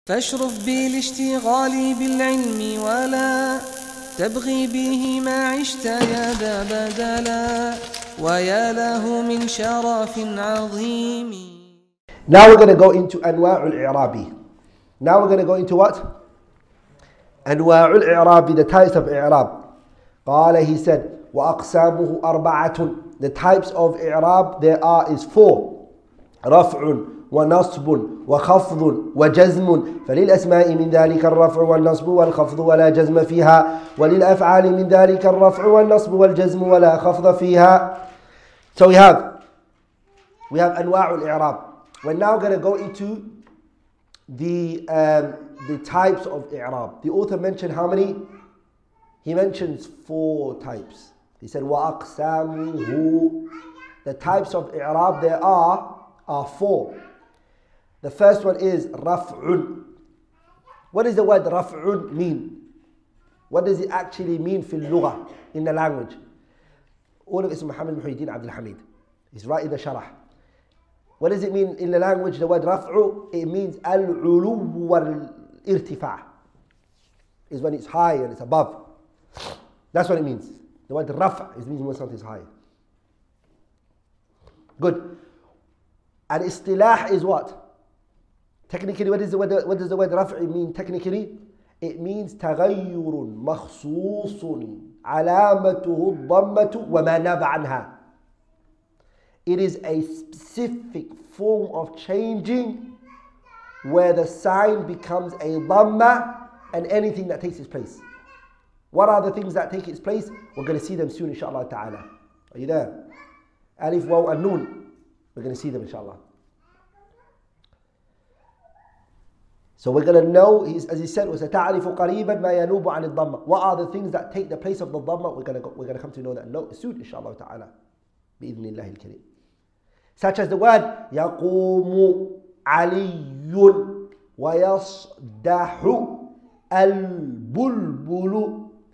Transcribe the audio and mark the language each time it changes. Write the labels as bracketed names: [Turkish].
[Arabic] فاشرف بي لاشتغالي بالعلم ولا تبغي به ما عشت يا ذا بدلا ويا له من شرف عظيم. [English] Now we're going to go into [Arabic] أنواع الإعراب. [English] Now we're going to go into what? [Arabic] أنواع الإعراب, [English] the types of إعراب. [Arabic] قال, [English] he said, [Arabic] وأقسامه أربعة. [English] The types of إعراب there are is four. [Arabic] رفع ونصب وخفض وجزم. فللأسماء من ذلك الرفع والنصب والخفض ولا جزم فيها, وللأفعال من ذلك الرفع والنصب والجزم ولا خفض فيها. [English] So we have [Arabic] أنواع الإعراب. [English] We're now going to go into the types of إعراب. The author mentioned how many? He mentions four types. He said, وَأَقْسَامُهُ. The types of إعراب there are four. The first one is رَفْعٌ. What does the word رَفْعٌ mean? What does it actually mean [Arabic] في اللغة, [English] in the language? [Arabic] All of اسم محمد محيدين عبد الحميد. [English] He's writing the sharah. What does it mean in the language, the word رَفْعُ? It means [Arabic] العلو والارتفاع. [English] It's when it's high and it's above. That's what it means. The word رَفْع, it means when something's high. Good. And اصطلاح is what? Technically, what does the word رفع mean technically? It means [Arabic] تغير مخصوص علامته الضمة وما نبع عنها. [English] It is a specific form of changing where the sign becomes a ضمّة and anything that takes its place. What are the things that take its place? We're going to see them soon, inshallah ta'ala. Are you there? Alif, waw, and noon. We're going to see them, inshallah. So we're going to know, as he said, [Arabic] وستعرف قريبا ما ينوب عن الضمة. [English] What are the things that take the place of the ضمة? We're going to come to know that soon, inshallah ta'ala. [Arabic] بإذن الله الكريم. [English] Such as the word [Arabic] يقوم علي ويصدح البلبل.